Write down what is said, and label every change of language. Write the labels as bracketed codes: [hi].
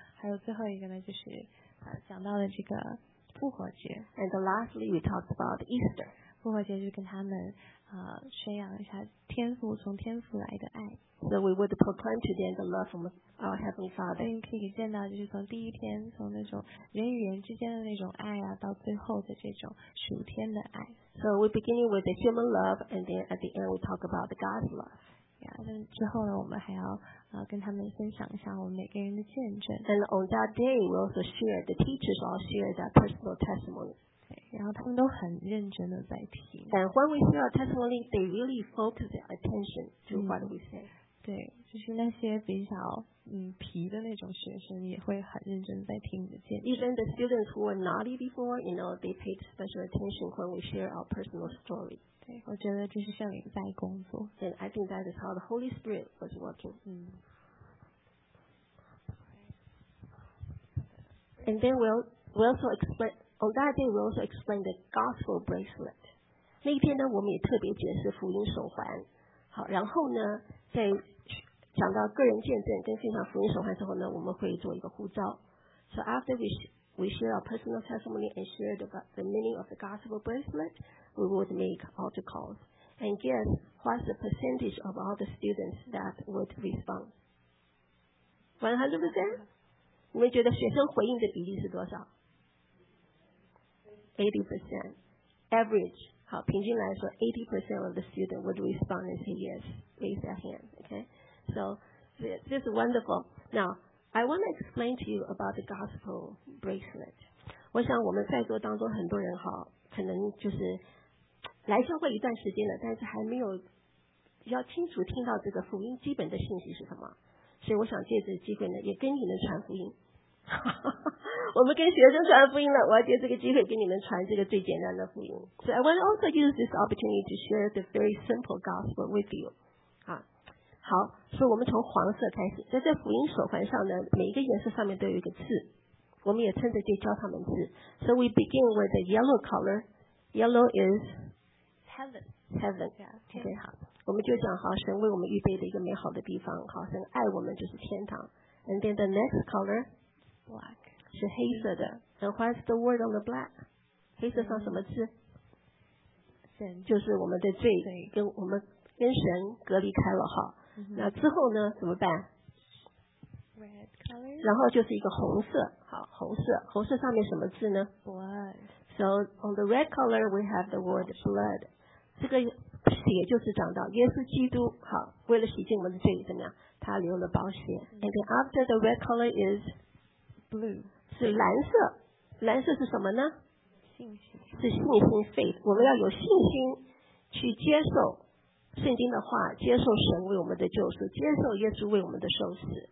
[zh] 还有最后一个呢，就是讲到了这个复活节。 [en] And lastly, we talked about Easter. [zh] 复活节就跟他们宣扬一下天父从天父来的爱。 [en] So we would proclaim to them the love from our Heavenly Father. [zh] 所以可以见到，就是从第一天，从那种人与人之间的那种爱啊，到最后的这种属天的爱。 [en] So we beginning with the human love, and then at the end we talk about the God's love. [zh] Yeah, 之后呢，我们还要跟他们分享一下我们每个人的见证。 [en] And on that day, we also share the teachers all share their personal testimony. [zh] 对，然后他们都很认真的在听。 [en] And when we share our testimony, they really focus their attention to what we say. [zh] 对，就是那些比较皮的那种学生也会很认真在听你的见证。 [en] Even the students who were naughty before, you know, they paid special attention when we share our personal story. [zh] 我觉得这是圣灵在工作。 [en] And I think that is how the Holy Spirit was working. And then we also explain, on that day we also explain the gospel bracelet. [zh] 那天呢，我们也特别解释福音手环。好，然后呢，在讲到个人见证跟分享福音手环之后呢，我们会做一个呼召。 [en] So after we share our personal testimony and share the meaning of the gospel bracelet. We would make altar calls and guess what's the percentage of all the students that would respond? 100%? [zh] 你们觉得学生回应的比例是多少？ [en] 80%. Average. [zh] 好，平均来说 [en] 80% of the students would respond and say yes. Raise their hand. Okay. So this is wonderful. Now, I want to explain to you about the gospel bracelet. [zh] 我想我们在座当中很多人好可能就是来教会一段时间了，但是还没有要清楚听到这个福音基本的信息是什么，所以我想借这个机会呢，也跟你们传福音。我们跟学生传福音了，我要借这个机会跟你们传这个最简单的福音。 [en] So I want to also use this opportunity to share the very simple gospel with you. [zh] 啊，好，所以我们从黄色开始，在这福音手环上呢，每一个颜色上面都有一个字，我们也趁着就教他们字。 [en] So we begin with the yellow color. Yellow is Heaven. Yeah, okay. [zh] 我们就讲好神为我们预备的一个美好的地方，好神爱我们就是天堂。 [en] And then the next color, black, [zh] 是黑色的。 [en] And what's the word on the black? [zh] 黑色上什么字？神，就是我们的罪，跟我们跟神隔离开了哈。那之后呢？怎么办 [en] ？Red color. [zh] 然后就是一个红色，好，红色，红色上面什么字呢 [en] ？Blood. So on the red color, we have the word blood. [zh] 这个血就是讲到耶稣基督，好，为了洗净我们的罪，怎么样？他流了宝血。 [en] And then after the red color is blue， [zh] 是蓝色。蓝色是什么呢？信心。是信心 faith， 我们要有信心去接受圣经的话，接受神为我们的救赎，接受耶稣为我们的受死。